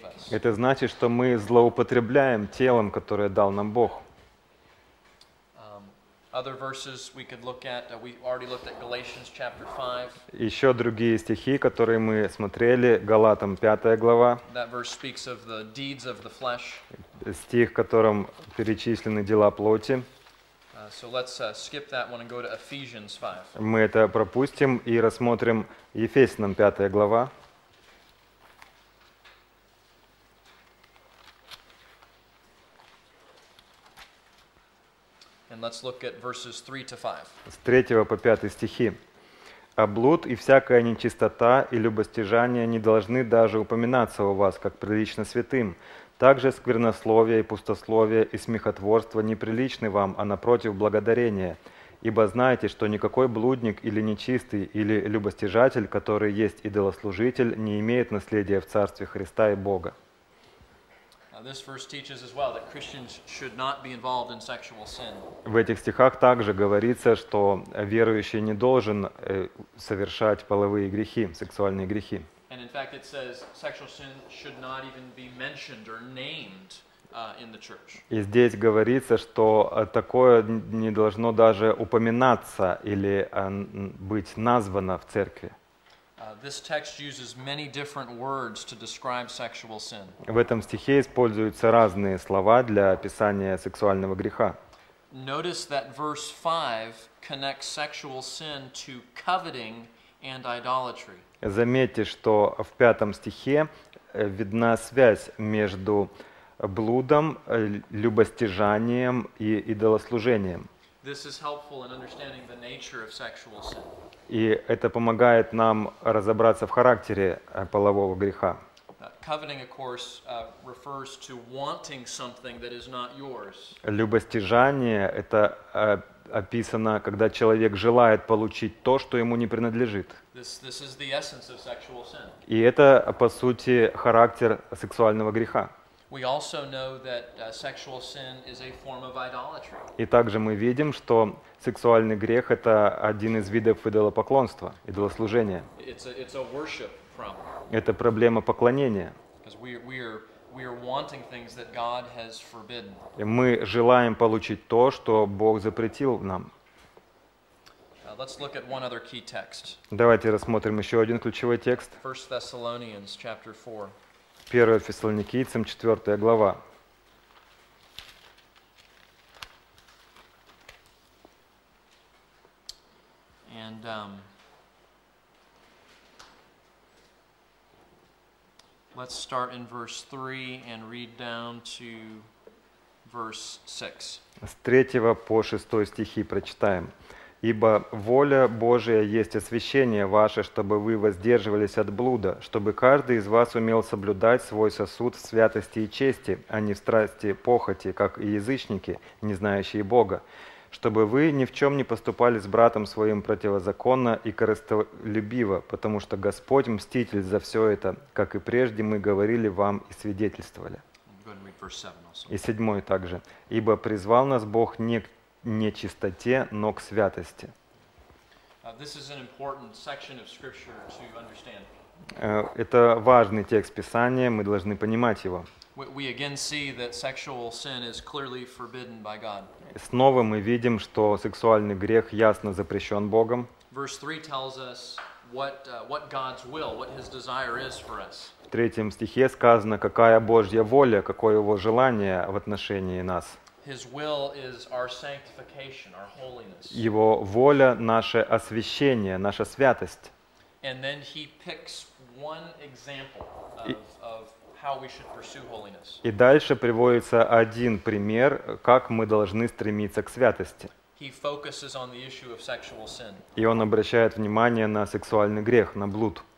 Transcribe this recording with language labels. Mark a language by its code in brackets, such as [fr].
[ru] Это значит, что мы злоупотребляем телом, которое дал нам Бог. [en] Other verses we could look at. We already looked at Galatians chapter 5. [ru] Еще другие стихи, которые мы смотрели, Галатам 5 глава. [en] That verse speaks of the deeds of the flesh. [ru] Стих, в котором перечислены дела плоти. [en] So let's skip that one and go to Ephesians 5. [ru] Мы это пропустим и рассмотрим Ефесянам 5 глава. [en] And And let's look at verses 3 to 5. [ru] С 3 по 5 стихи. «А блуд и всякая нечистота и любостяжание не должны даже упоминаться у вас, как прилично святым. Также сквернословие и пустословие и смехотворство неприличны вам, а напротив благодарение. Ибо знаете, что никакой блудник или нечистый, или любостяжатель, который есть идолослужитель, не имеет наследия в Царстве Христа и Бога». [en] This verse teaches as well that Christians should not be involved in sexual sin. [ru] В этих стихах также говорится, что верующий не должен совершать половые грехи, сексуальные грехи. [en] And in fact, it says sexual sin should not even be mentioned or named in the church. [ru] И здесь говорится, что такое не должно даже упоминаться или быть названо в церкви. [en] This text uses many different words to describe sexual sin. [ru] В этом стихе используются разные слова для описания сексуального греха. [en] Notice that verse 5 connects sexual sin to coveting and idolatry. [ru] Заметьте, что в пятом стихе видна связь между блудом, любостяжанием и идолослужением. [en] This is helpful in understanding the nature of sexual sin. [ru] И это помогает нам разобраться в характере полового греха. [en] Coveting, of course, refers to wanting something that is not yours. [ru] Любостяжание — это описано, когда человек желает получить то, что ему не принадлежит. [en] This is the essence of sexual sin. [ru] И это, по сути, характер сексуального греха. [en] We also know that sexual sin is a form of idolatry. [ru] И также мы видим, что сексуальный грех — это один из видов идолопоклонства, идолослужения. [en] It's a worship problem. [ru] Это проблема поклонения. [en] Because we are wanting things that God has forbidden. [ru] И мы желаем получить то, что Бог запретил нам. [en] Let's look at one other key text. [ru] Давайте рассмотрим еще один ключевой текст. [en] 1 Thessalonians chapter 4. [ru] 1 Фессалоникийцам, 4 глава. [en] And, let's start in verse 3 and read down to verse 6. [ru] С 3 по 6 стихи прочитаем. «Ибо воля Божия есть освящение ваше, чтобы вы воздерживались от блуда, чтобы каждый из вас умел соблюдать свой сосуд в святости и чести, а не в страсти и похоти, как и язычники, не знающие Бога, чтобы вы ни в чем не поступали с братом своим противозаконно и корыстолюбиво, потому что Господь – мститель за все это, как и прежде мы говорили вам и свидетельствовали». И 7 также. «Ибо призвал нас Бог не к нечистоте, но к святости». [en] This is an important section of scripture to understand. [ru] Это важный текст Писания, мы должны понимать его. [en] We again see that sexual sin is clearly forbidden by God. [ru] Снова мы видим, что сексуальный грех ясно запрещен Богом. [en] Verse 3 tells us what God's will, what His desire is for us. [ru] В 3 стихе сказано, какая Божья воля, какое Его желание в отношении нас. [en] His will is our sanctification, our holiness. [ru] Его воля — наше освящение, наша святость. [en] And then he picks one example of how we should pursue holiness. [ru] И дальше приводится один пример, как мы должны стремиться к святости. [en] He focuses on the issue of sexual sin. [ru] И он обращает внимание на сексуальный грех, на блуд.